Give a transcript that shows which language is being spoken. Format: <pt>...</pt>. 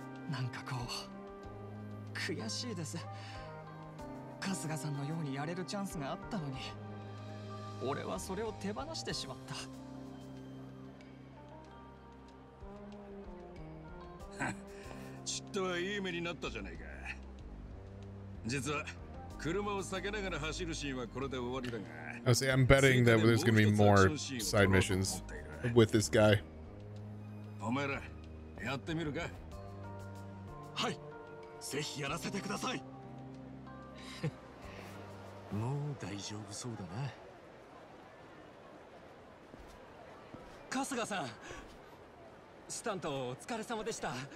<ja>なんかこう悔しいです。春日さんのようにやれるチャンスがあったのに、俺はそれを手放してしまった。ちっとはいい目になったじゃないか。実は車を避けながら走るシーンはこれで終わりだが、</ja> <en>I say, I'm betting that there's going to be more side missions with this guy.</en> <ja>お前ら、やってみるか？はい、ぜひやらせてください。もう大丈夫そうだな。春日さん、スタントお疲れ様でした。</ja>